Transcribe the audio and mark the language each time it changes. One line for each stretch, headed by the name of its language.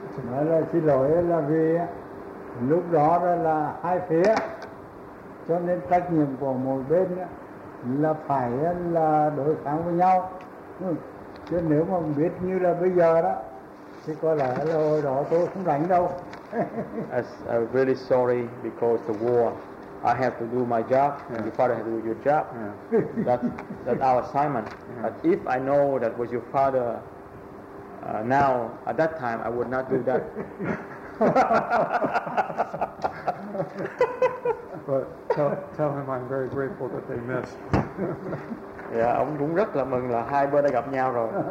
Vietnamese: Nói là xin lỗi là vì lúc đó là hai phía, cho nên trách nhiệm của một bên là phải là đối kháng với nhau. Chứ nếu mà biết như là bây giờ đó thì có lẽ là hồi đó tôi không đánh đâu.
English: I'm really sorry because the war. I have to do my job, and your father has to do your job. That's our assignment. But if I know that was your father, now at that time I would not do that. But tell him I'm very grateful that they missed.
Vietnamese: Yeah, ông cũng rất là mừng là hai bên đã gặp nhau rồi.